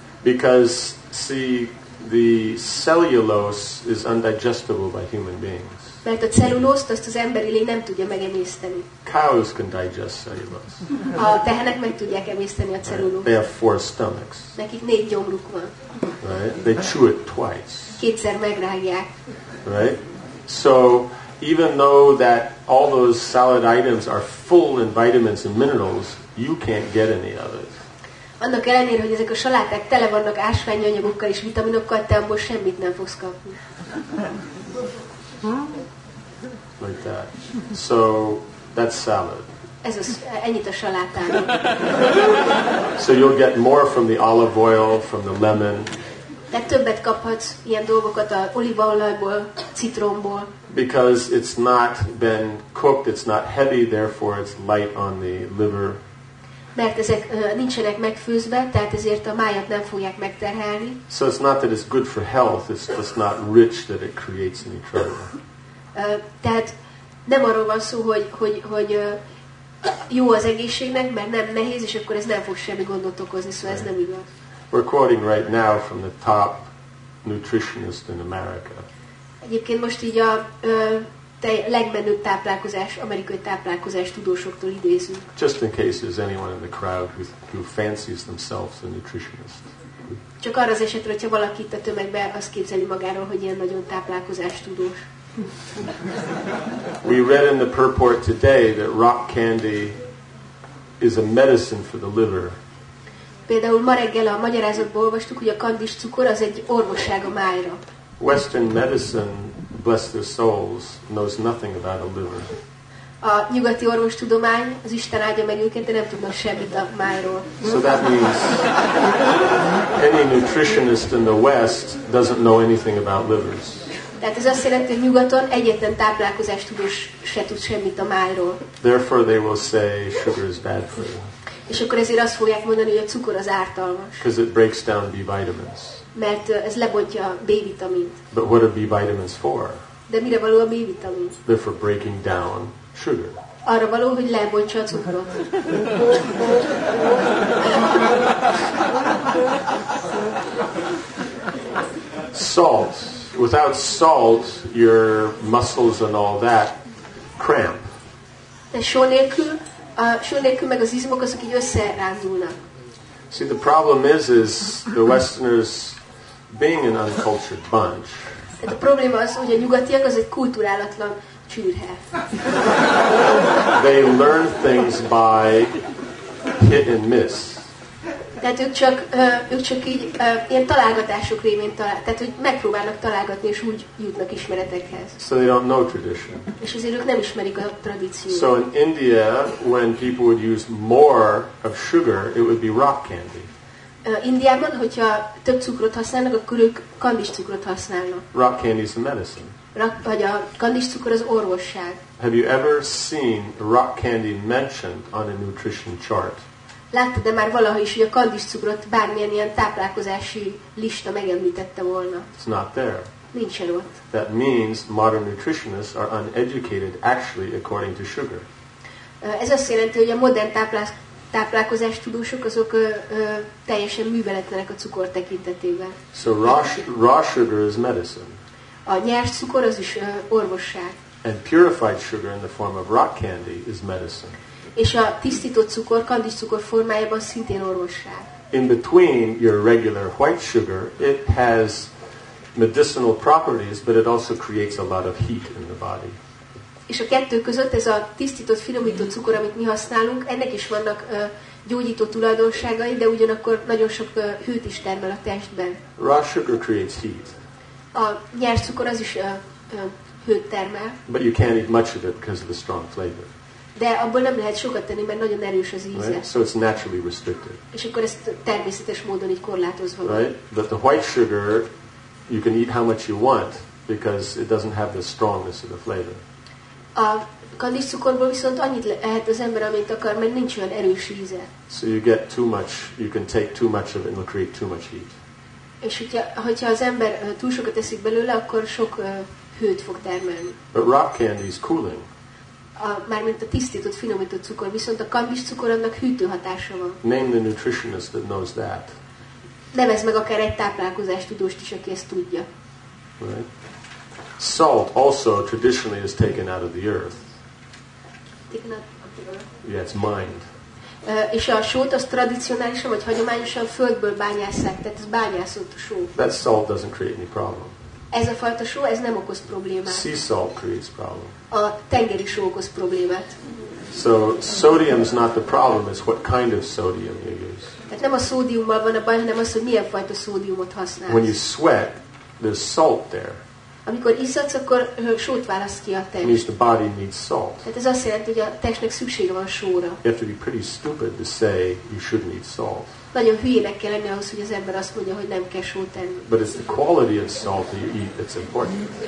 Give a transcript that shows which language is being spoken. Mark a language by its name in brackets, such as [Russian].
[English] Because, see, the cellulose is undigestible by human beings. [Hungarian] Mert a cellulózt azt az emberi lény nem tudja megemészteni. [English] Cows can digest cellulose. [Hungarian] A tehenek meg tudják emészteni a cellulózt. [English] They have four stomachs. [Hungarian] Nekik négy gyomruk van. [English] Right? They chew it twice. [Hungarian] Kétszer megrágják. [English] Right? So, even though that all those salad items are full in vitamins and minerals, you can't get any of it. [Hungarian] Annak ellenére, hogy ezek a saláták tele vannak ásványanyagokkal és vitaminokkal, te abból semmit nem fogsz kapni. [English] Like that. So that's salad. [Hungarian] Ez az, ennyit a salátán. [English] So you'll get more from the olive oil, from the lemon. [Hungarian] De többet kaphatsz ilyen dolgokat a olívaolajból, citromból. [English] Because it's not been cooked, it's not heavy, therefore it's light on the liver. [Hungarian] Mert ezek nincsenek megfőzve, tehát ezért a májat nem fogják megterhelni. [English] So it's not that it's good for health, it's just not rich that it creates any trouble. [Hungarian] Tehát nem arról van szó, hogy jó az egészségnek, mert nem nehéz, és akkor ez nem fog semmi gondot okozni, szóval [English] right. [Hungarian] Ez nem igaz. [English] We're quoting right now from the top nutritionist in America. [Hungarian] Egyébként most így a legmenőbb táplálkozás, amerikai táplálkozás tudósoktól idézünk. [English] Just in case there's anyone in the crowd who fancies themselves a nutritionist. [Hungarian] Csak arra az esetre, hogyha valaki itt a tömegben azt képzeli magáról, hogy ilyen nagyon táplálkozás tudós. [English] We read in the purport today that rock candy is a medicine for the liver. [Hungarian] Például ma reggel a magyarázatból olvastuk, hogy a kandis cukor az egy orvosság a májra. [English] Western medicine, bless their souls, knows nothing about a liver. [Hungarian] A nyugati orvostudomány, az Isten áldja meg őket, de nem tudnak semmit a májról. [English] So that means any nutritionist in the West doesn't know anything about livers. [Hungarian] Tehát ez azt jelenti, hogy nyugaton egyetlen táplálkozástudós se tud semmit a májról. [English] Therefore they will say sugar is bad for you. [Hungarian] És akkor ezért azt fogják mondani, hogy a cukor az ártalmas. [English] Because it breaks down B vitamins. [Hungarian] Mert ez lebontja a B vitamint. [English] But what are B vitamins for? [Hungarian] De mire való a B vitamin? [English] They're for breaking down sugar. [Hungarian] Arra való, hogy lebontja a cukrot. [English] Salt. Without salt, your muscles and all that cramp. [Hungarian] De só nélkül meg az izmok azok így összerándulnak. [English] See, the problem is the Westerners being an uncultured bunch. [Hungarian] Tehát a probléma az, hogy a nyugatiak az egy kulturálatlan csürhe. [English] They learn things by hit and miss. [Hungarian] Tehát ők csak így ilyen találgatások révén tehát hogy megpróbálnak találgatni, és úgy jutnak ismeretekhez. [English] So they don't know tradition. [Hungarian] És azért ők nem ismerik a tradíciót. [English] So in India, when people would use more of sugar, it would be rock candy. [Hungarian] Indiában, hogyha több cukrot használnak, akkor ők kandis cukrot használnak. [English] Rock candy is a medicine. [Hungarian] vagy a kandis cukor az orvosság. [English] Have you ever seen rock candy mentioned on a nutrition chart? [Hungarian] Láttad-e már valaha is, hogy a kandis cukrot bármilyen ilyen táplálkozási lista megemlítette volna? [English] It's not there. [Hungarian] Nincsen ott. [English] That means modern nutritionists are uneducated actually according to sugar. [Hungarian] Ez azt jelenti, hogy a modern táplálkozás tudósok azok teljesen műveletlenek a cukor tekintetében. [English] So raw sugar is medicine. [Hungarian] A nyers cukor az is orvosság. [English] And purified sugar in the form of rock candy is medicine. [Hungarian] És a tisztított cukor, kandis cukor formájában szintén orvosság. [English] In between your regular white sugar, it has medicinal properties, but it also creates a lot of heat in the body. [Hungarian] És a kettő között ez a tisztított, finomított cukor, amit mi használunk, ennek is vannak gyógyító tulajdonságai, de ugyanakkor nagyon sok hőt is termel a testben. [English] Raw sugar creates heat. [Hungarian] A nyers cukor az is hőt termel. [English] But you can't eat much of it because of the strong flavor. [Hungarian] De abból nem lehet sokat tenni, mert nagyon erős az íze. [English] Right? So it's naturally restricted. [Hungarian] És akkor ez természetes módon így korlátozva van. [English] Right? But the white sugar, you can eat how much you want because it doesn't have the strongness of the flavor. [Hungarian] A kandis cukorból viszont annyit lehet az ember, amit akar, mert nincs olyan erős íze. [English] So you get too much, you can take too much of it and it'll create too much heat. [Hungarian] És hogyha az ember túl sokat eszik belőle, akkor sok hőt fog termelni. [English] But rock candy is cooling. [Hungarian] Mármint a tisztított, finomított cukor, viszont a kandis cukor annak hűtő hatása van. [English] Name the nutritionist that knows that. [Hungarian] Nevezd meg akár egy táplálkozástudóst is, aki ezt tudja. [English] Right. Salt also traditionally is taken out of the earth. Taken out of the earth? Yeah, it's mined. [Hungarian] És a sót az tradicionálisan vagy hagyományosan földből bányásszák, tehát ez bányászott só. [English] That salt doesn't create any problem. [Hungarian] Ez a fajta só, ez nem okoz problémát. [English] Sea salt creates problem. [Hungarian] A tengeri só okoz problémát. [English] So sodium is not the problem, it's what kind of sodium you use. [Hungarian] Tehát nem a szódiummal van a baj, hanem az, hogy milyen fajta szódiumot használsz. [English] When you sweat, there's salt there. [Hungarian] Amikor iszadsz, akkor sót válasz ki a test. [English] Means the body needs salt. [Hungarian] Tehát ez azt jelenti, hogy a testnek szüksége van sóra. [English] You have to be pretty stupid to say you shouldn't eat salt. [Hungarian] Nagyon hülyének kell lenni ahhoz, hogy az ember azt mondja, hogy nem kell sót enni. [English] But it's the quality of salt that you eat that's important.